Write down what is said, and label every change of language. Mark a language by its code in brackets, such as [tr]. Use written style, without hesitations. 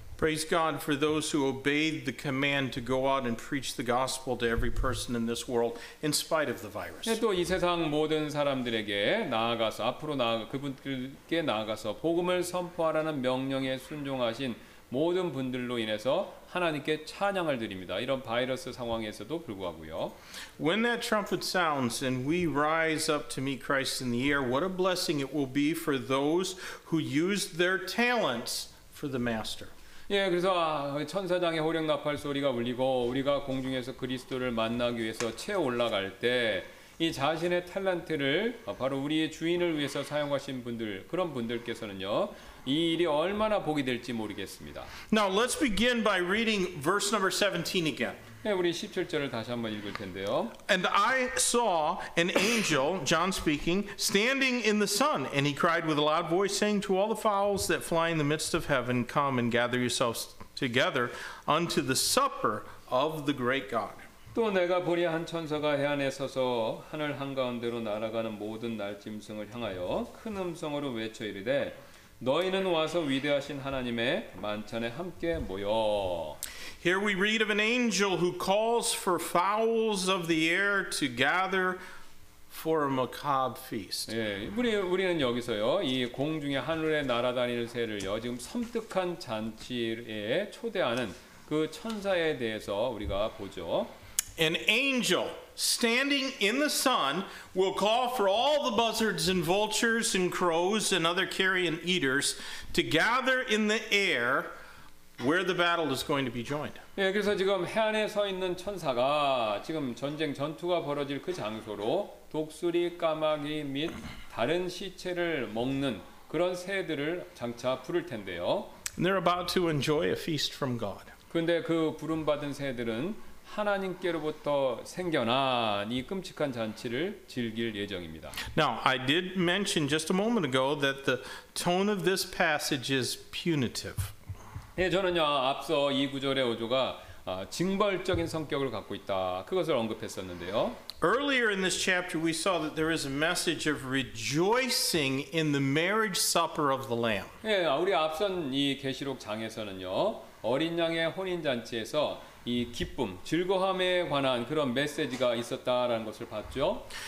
[en] Praise God for those who obeyed the command to go out and preach the gospel to every person in this world in spite of the virus. [ko] 예, 또 이 세상 모든 사람들에게 나아가서 앞으로 나아가 그분들께 나아가서 복음을 선포하라는 명령에 순종하신 모든 분들로 인해서 하나님께 찬양을 드립니다. 이런 바이러스 상황에서도 불구하고요. [en] When that trumpet sounds and we rise up to meet Christ in the air, what a blessing it will be for those who use their talents for the master. [ko] 예, 그래서 아, 천사장의 호령나팔 소리가 울리고 우리가 공중에서 그리스도를 만나기 위해서 채 올라갈 때 이 자신의 탤런트를 바로 우리의 주인을 위해서 사용하신 분들 그런 분들께서는요 이 일이 얼마나 복이 될지 모르겠습니다. [en] Now let's begin by reading verse number 17 again. [ko] 네, 우리 17절을 다시 한번 읽을 텐데요. [en] And I saw an angel, John speaking, standing in the sun, and he cried with a loud voice, saying to all the fowls that fly in the midst of heaven, come and gather yourselves together unto the supper of the great God. [ko] 또 내가 보니 한 천사가 해안에 서서 하늘 한가운데로 날아가는 모든 날짐승을 향하여 큰 음성으로 외쳐 이르되 너희는 와서 위대하신 하나님의 만찬에 함께 모여. [en] Here we read of an angel who calls for fowls of the air to gather for a macabre feast. [ko] 예, 우리는 여기서요, 이 공중에 하늘에 날아다니는 새를요, 지금 섬뜩한 잔치에 초대하는 그 천사에 대해서 우리가 보죠. [en] An angel standing in the sun will call for all the buzzards and vultures and crows and other carrion eaters to gather in the air where the battle is going to be joined. [ko] 예, 그래서 지금 해안에 서 있는 천사가 지금 전쟁 전투가 벌어질 그 장소로 독수리, 까마귀 및 다른 시체를 먹는 그런 새들을 장차 부를 텐데요. [en] And they're about to enjoy a feast from God. [ko] 근데 그 부름 받은 새들은 하나님께로부터 생겨난 이 끔찍한 잔치를 즐길 예정입니다. [en] Now, I did mention just a moment ago that the tone of this passage is punitive. [ko] 예, 저는요 앞서 이 구절의 어조가 징벌적인 성격을 갖고 있다 그것을 언급했었는데요. [en] Earlier in this chapter, we saw that there is a message of rejoicing in the marriage supper of the Lamb. [ko] 예, 우리 앞선 이 계시록 장에서는요 어린양의 혼인 잔치에서 이 기쁨, 즐거움에 관한 그런 메시지가 있었다라는 것을 봤죠.